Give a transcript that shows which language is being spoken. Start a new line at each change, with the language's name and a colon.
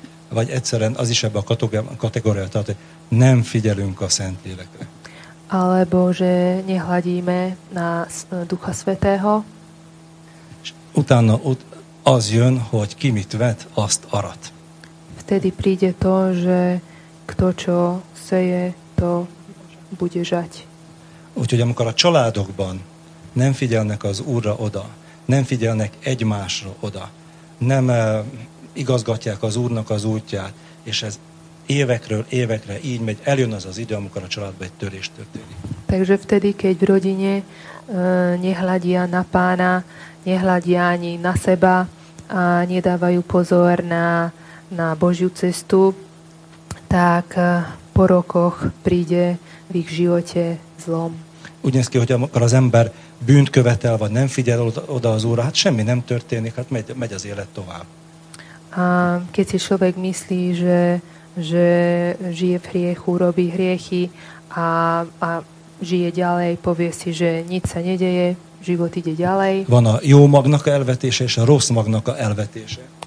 Hungarian: Vagy egyszerűen az is ebben a kategóriá tart, hogy nem figyelünk a Szentlélekre.
Slovak: Alebo, že nehladíme na Ducha Svätého.
Hungarian: Utána az jön, hogy ki mit vet, azt arat.
Slovak: Vtedy príde to, že kto čo seje, to bude žať.
Hungarian: Úgyhogy amikor a családokban nem figyelnek az Úrra oda, nem figyelnek egymásra oda, nem igazgatják az Úrnak az útját, és ez évekről évekre így megy, eljön az az idő, amikor a családban egy törés történik.
Slovak: Takže vtedy, keď v rodine nehladia na Pána, nehladia ani na seba a nedávajú pozor na Božiu cestu, tak po rokoch príde v ich živote zlom.
Hungarian: Úgy néz ki, hogy amikor az ember bűnt követel, vagy nem figyel oda az Úrra, hát semmi nem történik, hát megy az élet tovább.
Slovak: A keď si človek myslí, že žije v hriechu, robí hriechy a žije ďalej, povie si, že nič sa nedeje, život ide ďalej.
Hungarian: Van a jó magnak a elvetése és a rossz magnak a elvetése.